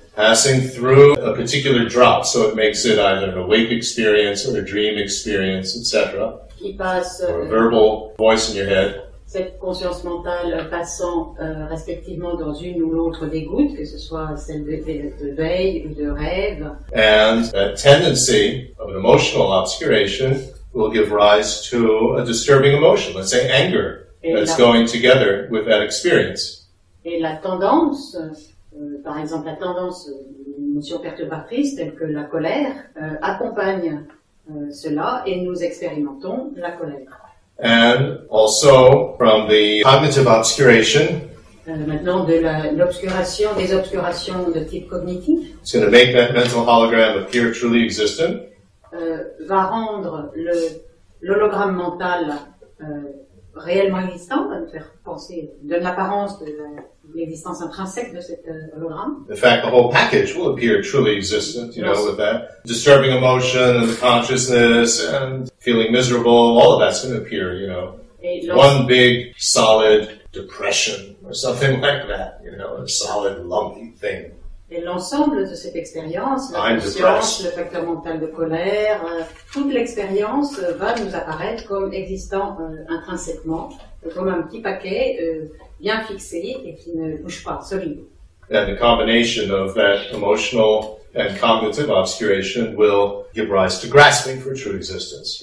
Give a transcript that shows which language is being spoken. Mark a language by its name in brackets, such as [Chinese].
[English] Passing through a particular drop, so it makes it either an awake experience or a dream experience, etc. [French] Qui passe, [English] or a verbal voice in your head. [French] Cette conscience mentale passant respectivement dans une ou l'autre des gouttes, que ce soit celle de veille ou de rêve. [English] And a tendency of an emotional obscuration will give rise to a disturbing emotion, let's say anger, that's going together with that experience. [French] Et la tendance... par exemple, la tendance, une émotion perturbatrice telle que la colère accompagne cela et nous expérimentons la colère. [English] And also from the cognitive obscuration. [French] Maintenant, de l'obscuration, des obscurations de type cognitif. It's going to make that mental hologram appear truly existent. Va rendre l'hologramme mental réellement existant, va nous faire penser, donne l'apparence de la. L'existence intrinsèque de cet hologramme. [English] In fact, the whole package will appear truly existent, you know, with that disturbing emotion and the consciousness and feeling miserable, all of that's going to appear, you know. One big solid depression or something like that, you know, a solid lumpy thing. [French] Et l'ensemble de cette expérience, la conscience, le facteur mental de colère, toute l'expérience va nous apparaître comme existant intrinsèquement, comme un petit paquet. Bien fixé et qui ne bouge pas, solide. [English] And the combination of that emotional and cognitive obscuration will give rise to grasping for true existence.